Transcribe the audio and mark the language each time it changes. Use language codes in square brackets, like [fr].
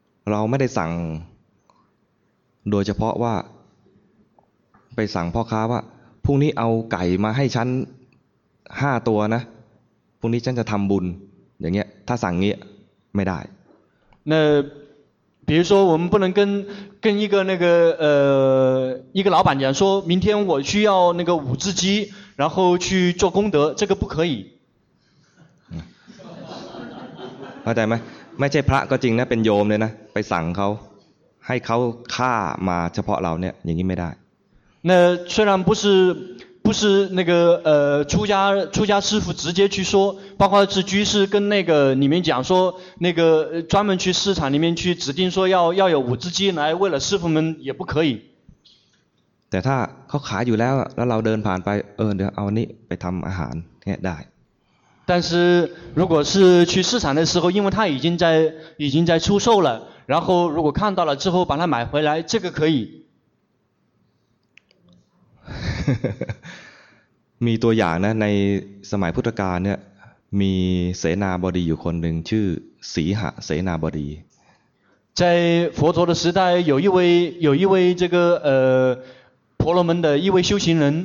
[th] เราไม่ได้สั่งโดยเฉพาะว่าไปสั่งพ่อค้าว่าพรุ่งนี้เอาไก่มาให้ฉัน5ตัวนะพรุ่งนี้ฉันจะทำบุญอย่างเงี้ยถ้าสั่งเงี้ยไม่ได้ [zh] 那比如说我们不能跟一个那个一个老板讲说明天我需要那个五只鸡然后去做功德这个不可以 [th] เข้าใจไหมไม่ใช่พระก็จริงนะเป็นโยมเลยนะไปสั่งเขาให้เขาฆ่ามาเฉพาะเราเนี่ยอย่างนี้ไม่ได้ [zh] 那虽然不是那个出家师父直接去说包括是居士跟那个里面讲说那个专门去市场里面去指定说要有五只鸡来为了师父们也不可以 [th] แต่ถ้าเขาขายอยู่แล้วแล้วเราเดินผ่านไปเดี๋ยวเอานี่ไปทำอาหารเนี่ยได้ [zh] 但是如果是去市场的时候因为他已经在出售了然后如果看到了之后把它买回来这个可以 [th] มีตัวอย่างนะในสมัยพุทธกาลเนี่ยมีเสนาบดีอยู่คนหนึ่งชื่อสีหะเสนาบดี [zh] 在佛陀的时代有一位这个婆罗门的一位修行人